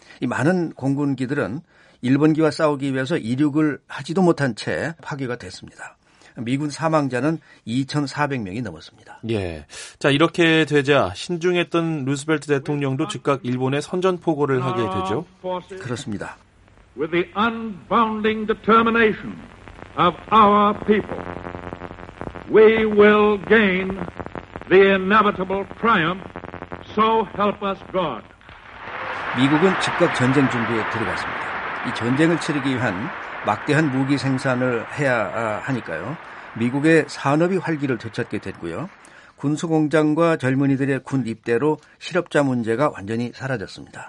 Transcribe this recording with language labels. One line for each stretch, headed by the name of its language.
Korean: 이 많은 공군기들은 일본기와 싸우기 위해서 이륙을 하지도 못한 채 파괴가 됐습니다. 미군 사망자는 2,400명이 넘었습니다. 예. 자, 이렇게 되자 신중했던 루스벨트 대통령도 즉각 일본에 선전포고를 하게 되죠. 그렇습니다.
English: With the unbounding determination of our people, we will gain the inevitable triumph. So help us God.
Korean: 미국은 즉각 전쟁 준비에 들어갔습니다. 이 전쟁을 치르기 위한 막대한 무기 생산을 해야 하니까요. 미국의 산업이 활기를 되찾게 됐고요. 군수공장과 젊은이들의 군 입대로 실업자 문제가 완전히 사라졌습니다.